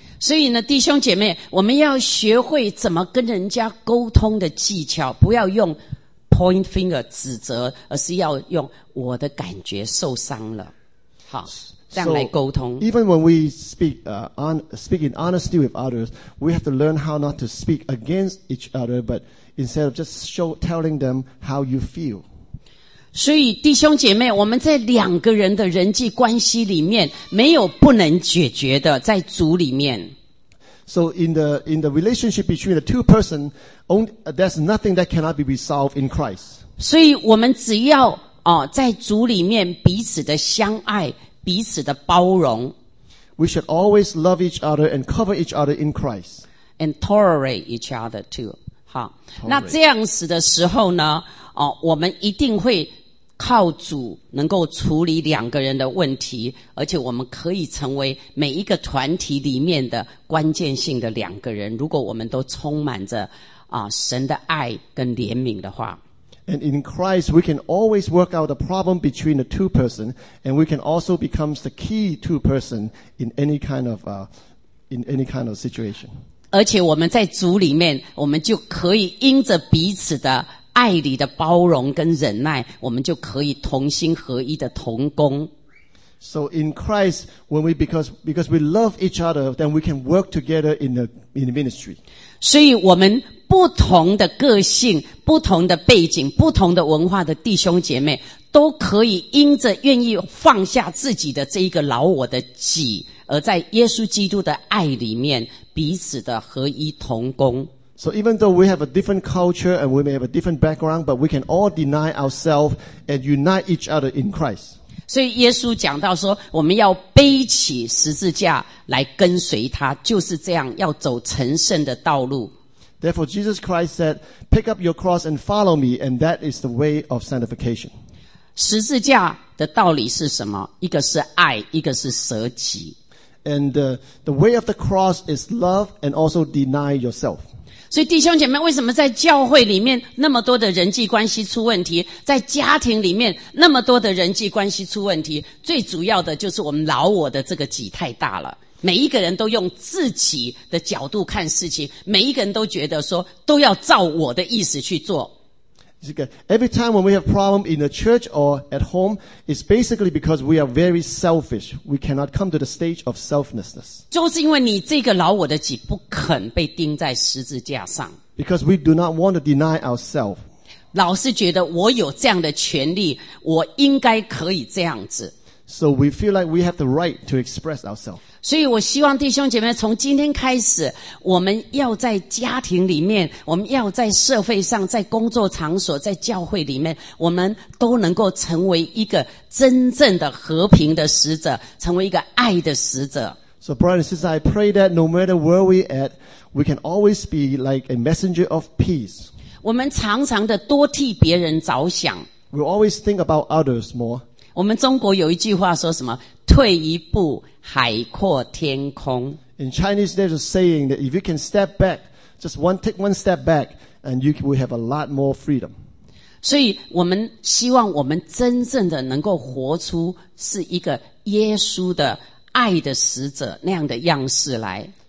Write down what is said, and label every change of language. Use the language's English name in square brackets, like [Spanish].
[Chinese] 所以呢，弟兄姐妹，我们要学会怎么跟人家沟通的技巧，不要用 [English] point finger [Chinese] 指责，而是要用我的感觉受伤了。好。 [English] So, even when we speak, speak in honesty with others, we have to learn how not to speak against each other, but instead of just telling them how you feel. [Chinese] 所以弟兄姐妹，我们在两个人的人际关系里面，没有不能解决的，在主里面。 [English] So in the relationship between the two persons, there's nothing that cannot be resolved in Christ. [Chinese] 所以我们只要在主里面彼此的相爱，彼此的包容。 [English] We should always love each other and cover each other in Christ. And tolerate each other too. [Chinese] 好，那这样子的时候呢，我们一定会靠主能够处理两个人的问题，而且我们可以成为每一个团体里面的关键性的两个人，如果我们都充满着神的爱跟怜悯的话。 [English] And in Christ, we can always work out the problem between the two persons, and we can also become the key two person in any kind of situation. [Chinese] 而且我们在主里面，我们就可以因着彼此的爱里的包容跟忍耐，我们就可以同心合一的同工。 [English] So in Christ, when we because we love each other, then we can work together in the ministry. [Chinese] 所以我们不同的个性、不同的背景、不同的文化的弟兄姐妹，都可以因着愿意放下自己的这一个老我的己，而在耶稣基督的爱里面彼此的合一同工。 [English] So even though we have a different culture and we may have a different background, but we can all deny ourselves and unite each other in Christ. [Chinese] 所以耶稣讲到说，我们要背起十字架来跟随他，就是这样要走成圣的道路。 [English] Therefore, Jesus Christ said, "Pick up your cross and follow me," and that is the way of sanctification. [Chinese] 十字架的道理是什么？一个是爱，一个是舍己。 [English] And the way of the cross is love and also deny yourself. [Chinese] 所以弟兄姐妹，为什么在教会里面那么多的人际关系出问题，在家庭里面那么多的人际关系出问题？最主要的就是我们老我的这个己太大了。每一个人都用自己的角度看事情，每一个人都觉得说都要照我的意思去做。 [English] Every time when we have problem in the church or at home, it's basically because we are very selfish. We cannot come to the stage of selflessness. [Chinese] 就是因为你这个老我的己不肯被钉在十字架上。 [English] Because we do not want to deny ourselves. [Chinese] 老是觉得我有这样的权利，我应该可以这样子。 [English] So we feel like we have the right to express ourselves. [Chinese] 所以我希望弟兄姐妹从今天开始，我们要在家庭里面，我们要在社会上，在工作场所，在教会里面，我们都能够成为一个真正的和平的使者，成为一个爱的使者。 [English] So brothers and sisters, I pray that no matter where we at, we can always be like a messenger of peace. [Chinese] 我们常常的多替别人着想。 [English] We always think about others more. [Chinese] 我们中国有一句话说什么？退一步，海阔天空。 [English] In Chinese, there's a saying that if you can step back, just one take one step back, and you will have a lot more freedom. [Chinese] 所以我们希望我们真正的能够活出是一个耶稣的爱的使者那样的样式来。